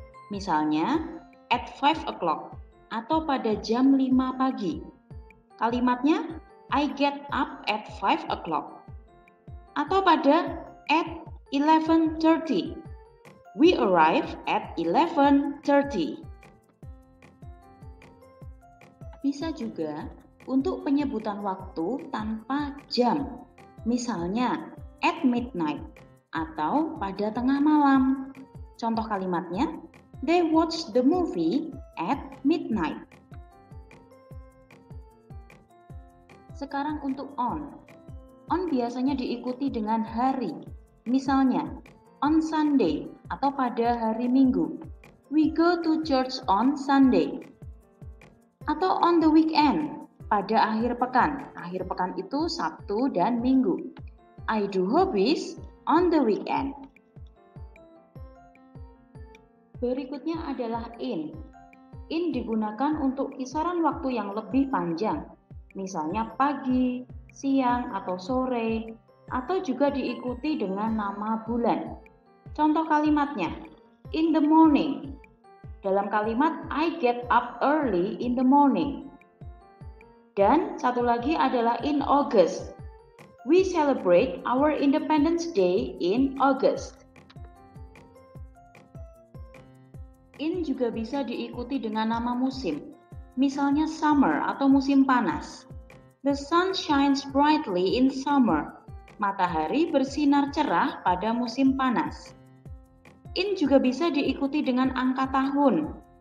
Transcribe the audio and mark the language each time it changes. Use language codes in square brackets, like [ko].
[id] Misalnya, [en] at 5 o'clock [id] atau pada jam 5 pagi. [en] Kalimatnya, I get up at 5 o'clock. [id] Atau pada [en] at 11:30. We arrive at 11:30. [id] Bisa juga untuk penyebutan waktu tanpa jam. Misalnya, [en] at midnight [id] atau pada tengah malam. Contoh kalimatnya, [en] they watch the movie at midnight. [id] Sekarang untuk on. On biasanya diikuti dengan hari. Misalnya, [en] on Sunday [id] atau pada hari Minggu. [en] We go to church on Sunday. [id] Atau [en] on the weekend, [id] pada akhir pekan. Akhir pekan itu Sabtu dan Minggu. [en] I do hobbies on the weekend. [id] Berikutnya adalah in. In digunakan untuk kisaran waktu yang lebih panjang. Misalnya pagi, siang, atau sore. Atau juga diikuti dengan nama bulan. Contoh kalimatnya, [en] in the morning. [id] Dalam kalimat, [en] I get up early in the morning. [id] Dan satu lagi adalah [en] in August. We celebrate our Independence Day in August. [id] In juga bisa diikuti dengan nama musim. Misalnya summer atau musim panas. [en] The sun shines brightly in summer. [id] Matahari bersinar cerah pada musim panas. In juga bisa diikuti dengan angka tahun.